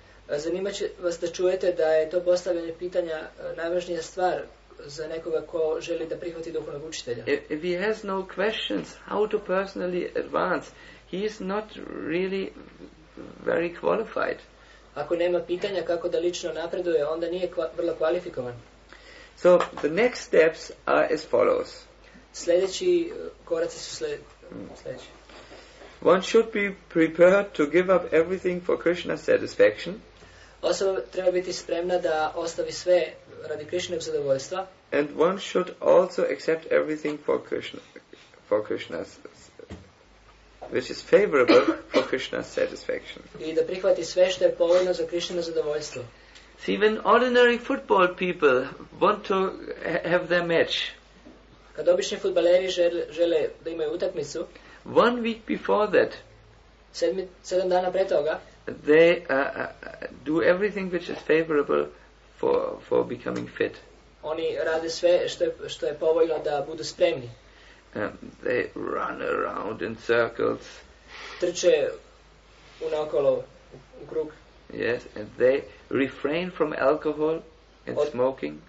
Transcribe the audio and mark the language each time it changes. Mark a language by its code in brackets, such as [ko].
[hr] Zanimat će vas da čujete da je to postavljanje pitanja najvažnija stvar za nekoga ko želi da prihvati duhovnog učitelja. [en] If he has no questions how to personally advance, he is not really very qualified. [hr] Ako nema pitanja kako da lično napreduje, onda nije vrlo kvalifikovan. [en] So the next steps are as follows. [hr] Sljedeći koraci su sljedeći. [en] One should be prepared to give up everything for Krishna's satisfaction. [hr] Osoba treba biti spremna da ostavi sve radi Krishnog zadovoljstva. [en] And one should also accept everything for Krishna's which is favorable for Krishna's satisfaction. [hr] I da prihvati sve što je povoljno za Krishna zadovoljstvo. [en] Even ordinary football people want to have their match. [hr] Kad obični fudbaleri žele da imaju utakmicu. [en] One week before that, [hr] 7 dana pre toga, [en] they do everything which is favorable for becoming fit. [hr] Oni rade sve što je povoljno da budu spremni. [en] They run around in circles. [hr] Trče unaokolo u krug. [en] Yes, and they refrain from alcohol and smoking.